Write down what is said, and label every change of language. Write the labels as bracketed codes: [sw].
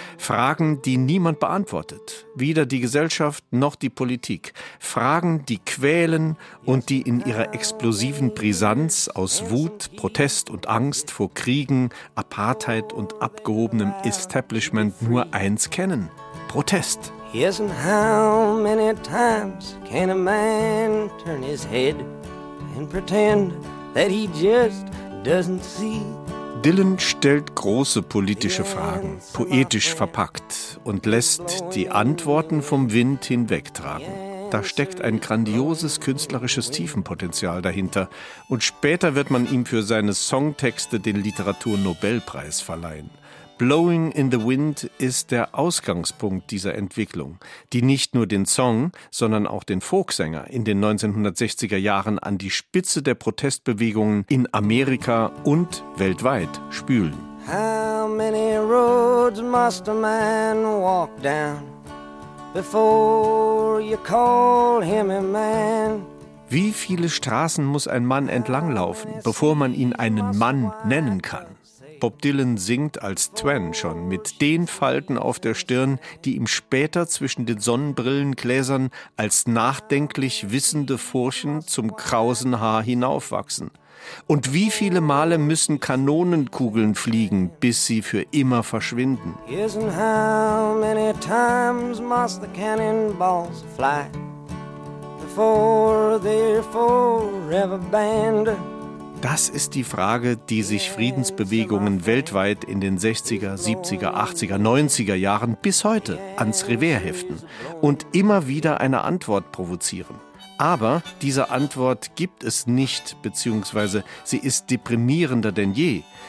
[de] Fragen, die niemand beantwortet. Weder die Gesellschaft noch die Politik. Fragen, die quälen und die in ihrer explosiven Brisanz aus Wut, Protest und Angst vor Kriegen, Apartheid und abgehobenem Establishment nur eins kennen. Protest. [en] Yes, and how many times can a man turn his head and pretend that he just doesn't see? [de] Dylan stellt große politische Fragen, poetisch verpackt, und lässt die Antworten vom Wind hinwegtragen. Da steckt ein grandioses künstlerisches Tiefenpotenzial dahinter. Und später wird man ihm für seine Songtexte den Literaturnobelpreis verleihen. Blowing in the Wind ist der Ausgangspunkt dieser Entwicklung, die nicht nur den Song, sondern auch den Folksänger in den 1960er Jahren an die Spitze der Protestbewegungen in Amerika und weltweit spülen. [en] How many roads must a man walk down before you call him a man? [de] Wie viele Straßen muss ein Mann entlanglaufen, bevor man ihn einen Mann nennen kann? Bob Dylan singt als Twan schon mit den Falten auf der Stirn, die ihm später zwischen den Sonnenbrillengläsern als nachdenklich wissende Furchen zum krausen Haar hinaufwachsen. Und wie viele Male müssen Kanonenkugeln fliegen, bis sie für immer verschwinden? [en] Yes, and how many times must the cannonballs fly before they're forever banned? [de] Das ist die Frage, die sich Friedensbewegungen weltweit in den 60er, 70er, 80er, 90er Jahren bis heute ans Revers heften und immer wieder eine Antwort provozieren. Aber diese Antwort gibt es nicht, beziehungsweise sie ist deprimierender denn je.